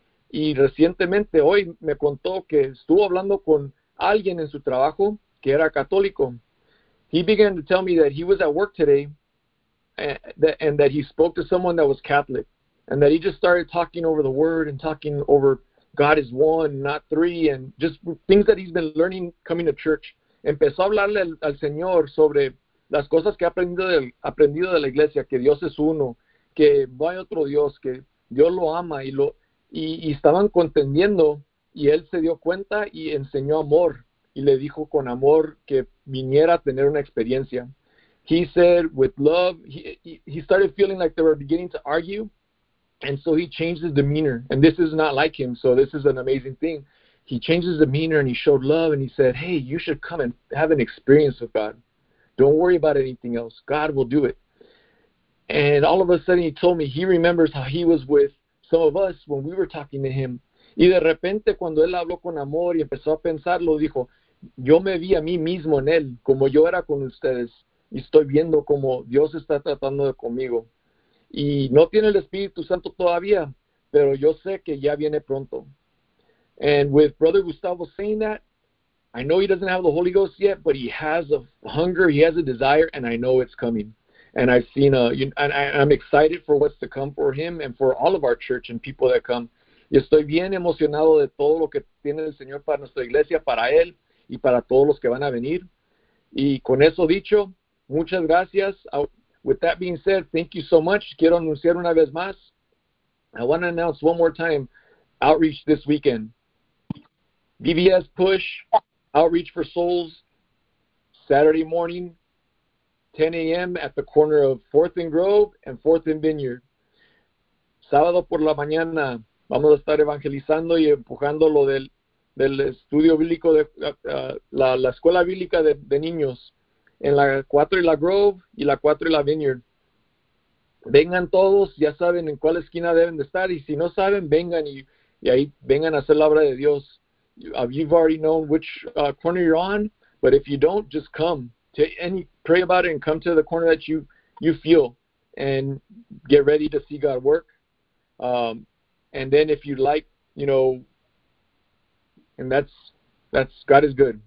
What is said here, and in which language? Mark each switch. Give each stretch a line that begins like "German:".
Spanish: Y recientemente hoy me contó que estuvo hablando con alguien en su trabajo que era católico.
English: He began to tell me that he was at work today and that he spoke to someone that was Catholic and that he just started talking over the word and talking over God is one, not three, and just things that he's been learning coming to church.
Spanish: Empezó a hablarle al Señor sobre las cosas que ha aprendido de la iglesia, que Dios es uno, que no hay otro Dios, que Dios lo ama y estaban contendiendo y él se dio cuenta y enseñó amor. Y le dijo con amor que viniera a tener una experiencia.
English: He said, with love, he started feeling like they were beginning to argue. And so he changed his demeanor. And this is not like him, so this is an amazing thing. He changed his demeanor and he showed love and he said, hey, you should come and have an experience with God. Don't worry about anything else. God will do it. And all of a sudden he told me he remembers how he was with some of us when we were talking to him.
Spanish: Y de repente, cuando él habló con amor y empezó a pensarlo, dijo, yo me vi a mí mismo en él, como yo era con ustedes, y estoy viendo cómo Dios está tratando de conmigo. Y no tiene el Espíritu Santo todavía, pero yo sé que ya viene pronto.
English: And with Brother Gustavo saying that, I know he doesn't have the Holy Ghost yet, but he has a hunger, he has a desire, and I know it's coming. And I've seen, I'm excited for what's to come for him and for all of our church and people that come.
Spanish: Y estoy bien emocionado de todo lo que tiene el Señor para nuestra iglesia, para él y para todos los que van a venir. Y con eso dicho, muchas gracias.
English: With that being said, thank you so much.
Spanish: Quiero anunciar una vez más
English: I want to announce one more time, outreach this weekend. BBS Push, Outreach for Souls, Saturday morning, 10 a.m. at the corner of 4th and Grove and 4th and Vineyard.
Spanish: Sábado por la mañana, vamos a estar evangelizando y empujando lo del estudio bíblico, de la escuela bíblica de niños, en la 4 y la Grove y la 4 y la Vineyard. Vengan todos, ya saben en cuál esquina deben de estar, y si no saben, vengan y ahí vengan a hacer la obra de Dios.
English: You've already known which corner you're on, but if you don't, just come. Pray about it and come to the corner that you feel and get ready to see God work. And then if you like, you know, and that's God is good.